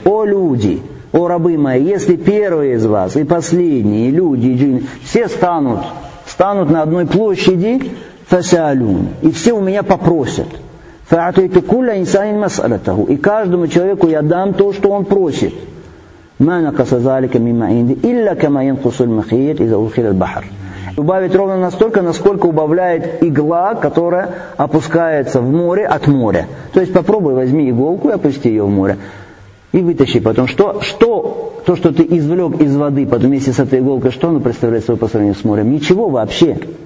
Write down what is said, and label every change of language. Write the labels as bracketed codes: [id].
[ru] «О люди, о рабы мои, если первые из вас и последние люди, и джинны, все станут на одной площади, фасалюн, и все у меня попросят». [ar] «Фаатайту кулля инсанин масалатаху». [ru] «И каждому человеку я дам то, что он просит». [ar] ما نقص ذلك مما عندي إلا كما ينقص المخيط إذا أدخل البحر. [ru] Убавить ровно настолько, насколько убавляет игла, которая опускается в море от моря. То есть попробуй, возьми иголку и опусти ее в море. И вытащи потом. То, что ты извлек из воды вместе с этой иголкой, что оно представляет собой по сравнению с морем? Ничего вообще.